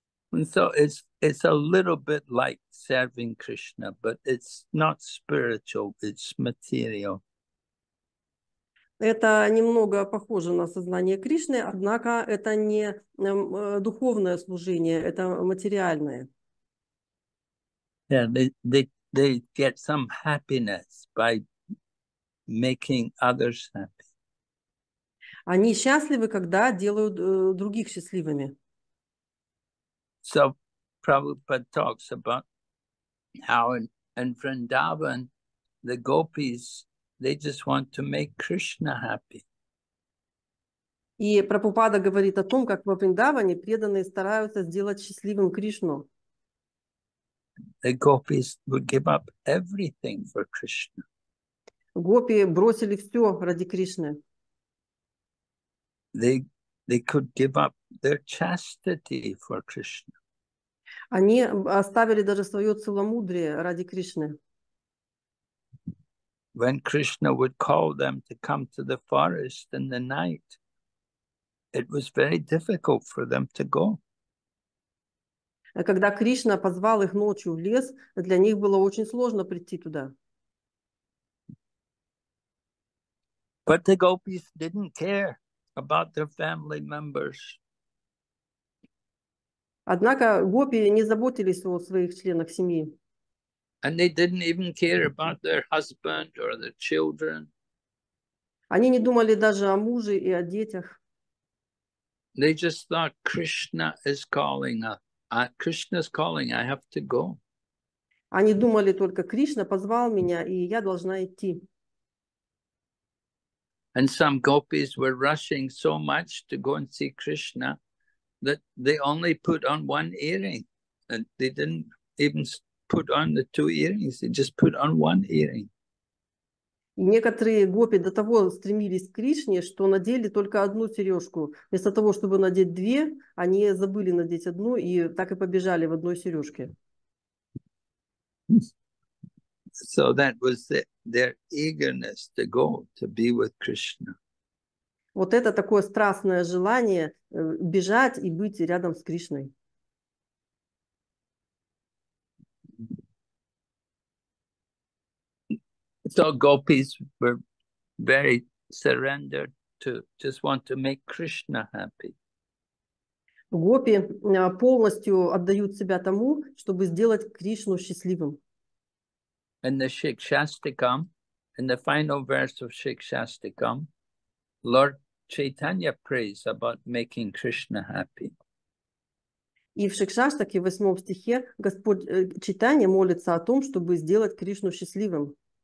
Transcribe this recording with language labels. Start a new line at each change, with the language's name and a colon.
English: And so it's a little bit like serving Krishna, but it's not spiritual, it's material.
Russian: Это немного похоже на сознание Кришны, однако это не духовное служение, это материальное.
English: Yeah, they get some happiness by making others happy.
Russian: Они счастливы, когда делают других счастливыми.
English: So Prabhupada talks about how in Vrindavan the gopis, they just want to make Krishna happy.
Russian: И Прабхупада говорит о том, как во Вриндаване преданные стараются сделать счастливым Кришну.
English: The gopis would give up everything for Krishna.
Russian: Гопи бросили все ради Кришны.
English: They could give up their chastity for Krishna.
Russian: Они оставили даже свое целомудрие ради Кришны.
English: When Krishna would call them to come to the forest in the night, it was very difficult for them to go.
Russian: Когда Кришна позвал их ночью в лес, для них было очень сложно прийти туда.
English: But the gopis didn't care about their family members.
Russian: Однако гопи не заботились о своих членах семьи.
English: And they didn't even care about their husband or their children.
Russian: Они не думали даже о муже и о детях.
English: They just thought Krishna is calling. Krishna's calling. I have to go.
Russian: Они думали только, Кришна позвал меня, и я должна идти.
English: And some gopis were rushing so much to go and see Krishna that they only put on one earring. And they didn't even put on the two earrings. They just put on one earring.
Russian: И некоторые гопи до того стремились к Кришне, что надели только одну сережку. Вместо того, чтобы надеть две, они забыли надеть одну и так и побежали в одной сережке.
English: So that was their eagerness to go to be with Krishna.
Russian: Вот это такое страстное желание бежать и быть рядом с Кришной.
English: So gopis were very surrendered to just want to make Krishna happy.
Russian: Гопи полностью отдают себя тому, чтобы сделать Кришну счастливым.
English: In the Shikshastikam, in the final verse of Shikshastikam, Lord Chaitanya prays about making Krishna happy.
Russian: И в Шикшастаке, в восьмом стихе, Господь Чайтанья молится о том, чтобы сделать Кришну счастливым.